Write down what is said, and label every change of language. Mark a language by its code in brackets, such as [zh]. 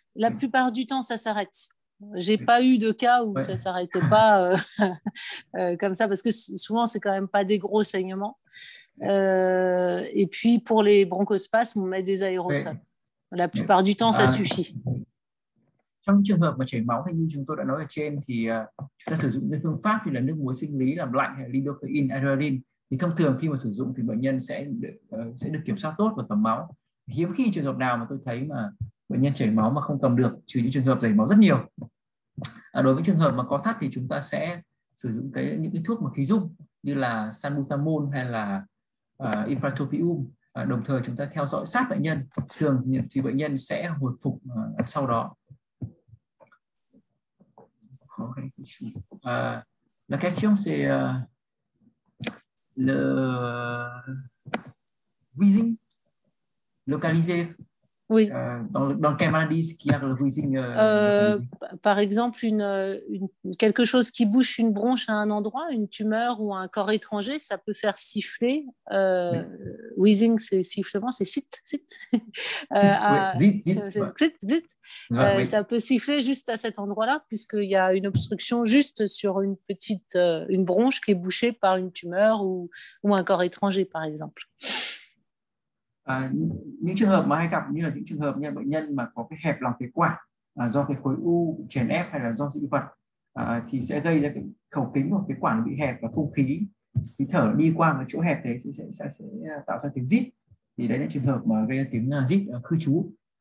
[fr] La plupart du temps, ça s'arrête. Je n'ai pas eu de cas où ça ne s'arrêtait pas comme ça, parce que souvent, ce n'est quand même pas des gros saignements. Et puis, pour les bronchospasmes, on met des aérosols. La plupart du temps, ça suffit. [vi] Trong trường hợp mà chảy máu hay như chúng tôi đã nói ở trên, thì chúng ta sử dụng những phương pháp như là nước muối sinh lý làm lạnh hay lidocaine adrenaline, thì thông thường khi mà sử dụng thì bệnh nhân sẽ được kiểm soát tốt và cầm máu. Hiếm khi trường hợp nào mà tôi thấy mà bệnh nhân chảy máu mà không cầm được, trừ những trường hợp chảy máu rất nhiều. Đối với trường hợp mà có thắt thì chúng ta sẽ sử dụng những cái thuốc mà khí dung như là salbutamol hay là ipratropium, đồng thời chúng ta theo dõi sát bệnh nhân, thường thì bệnh nhân sẽ hồi phục sau đó. [fr] La question c'est le wheezing localisé. Oui. Dans quelle maladie est-ce qu'il y a le wheezing? Par exemple, quelque chose qui bouche une bronche à un endroit, une tumeur ou un corps étranger, ça peut faire siffler. Oui. Wheezing, c'est sifflement, c'est sit, sit. Ça peut siffler juste à cet endroit-là, puisqu'il y a une obstruction juste sur une petite une bronche qui est bouchée par une tumeur ou un corps étranger, par exemple. [vi] Những trường hợp mà hay gặp như là những trường hợp như bệnh nhân mà có cái hẹp lòng phế quản do cái khối u chèn ép hay là do dị vật thì sẽ gây ra cái khẩu kính hoặc cái quản bị hẹp, và không khí thở đi qua cái chỗ hẹp thế sẽ tạo ra tiếng rít, thì đấy là trường hợp mà gây ra tiếng rít khư trú.